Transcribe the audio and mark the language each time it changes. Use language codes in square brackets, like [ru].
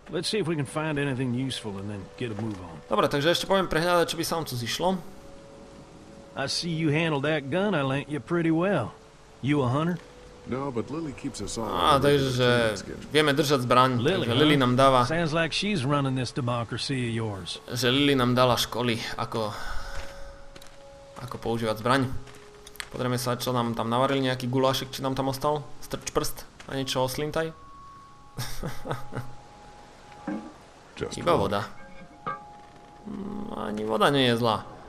[en] Let's see if we can find anything useful and then get a move on. [sk] Dobre, takže ešte poviem prehľadať, čo by sa vám tu zišlo. [en] I see you handled that gun I lent you pretty well. You a hunter? No, but Lily keeps us all. [sk] Ah, takže vieme držať zbraň. Lily, huh? Lily nám dáva. [en] Sounds like she's running this democracy of yours. [sk] Že Lily nám dala školy, ako používať zbraň. Pozrieme sa, čo nám tam navarili, nejaký gulášek, či nám tam ostal. Strč prst a niečo oslintaj. Iba voda. Ani voda nie je zlá.